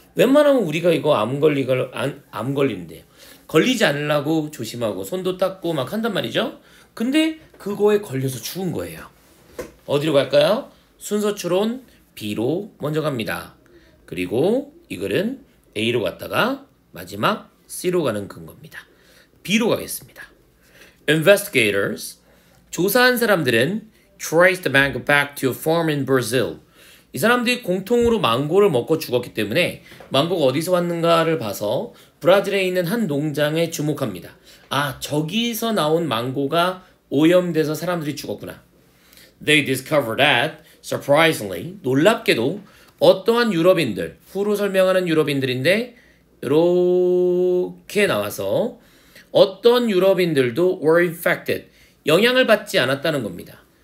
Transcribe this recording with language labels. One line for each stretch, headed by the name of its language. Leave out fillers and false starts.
Korean: 웬만하면 우리가 이거 안 걸린대요. 걸리지 않으려고 조심하고, 손도 닦고 막 한단 말이죠. 근데 그거에 걸려서 죽은 거예요. 어디로 갈까요? 순서 추론 B로 먼저 갑니다. 그리고 이 글은 A로 갔다가 마지막 C로 가는 근거입니다. B로 가겠습니다.
English: Investigators,
Korean: 조사한 사람들은
English: traced the mango back to a farm in Brazil.
Korean: 이 사람들이 공통으로 망고를 먹고 죽었기 때문에 망고가 어디서 왔는가를 봐서 브라질에 있는 한 농장에 주목합니다. 아, 저기서 나온 망고가 오염돼서 사람들이 죽었구나.
English: They discovered that, surprisingly,
Korean: 놀랍게도 어떠한 유럽인들, 후로 설명하는 유럽인들인데 이렇게 나와서 어떤 유럽인들도
English: were infected,
Korean: 영향을 받지 않았다는 겁니다.